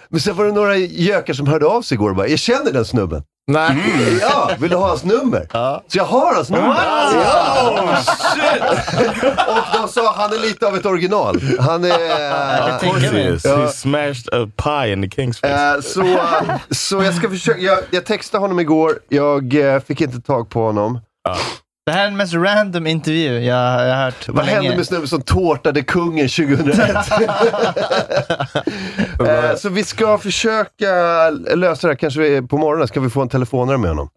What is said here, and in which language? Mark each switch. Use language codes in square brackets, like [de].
[sv] Men sen var det några jökar som hörde av sig igår och bara, jag känner den snubben. Nej. Ja, vill du ha hans nummer? Ja. Så jag har hans nummer. [en] Ja. Oh, shit. [sv] Och då sa han är lite av ett original. Han är [en] He smashed a pie in the king's face. [sv] Så jag ska försöka. Jag textade honom igår. Jag fick inte tag på honom. Det här är den mest random intervju jag har hört. Vad hände med snubben som tårtade kungen 2001? Så vi ska försöka lösa det här. Kanske på morgonen ska vi få en telefonare med honom.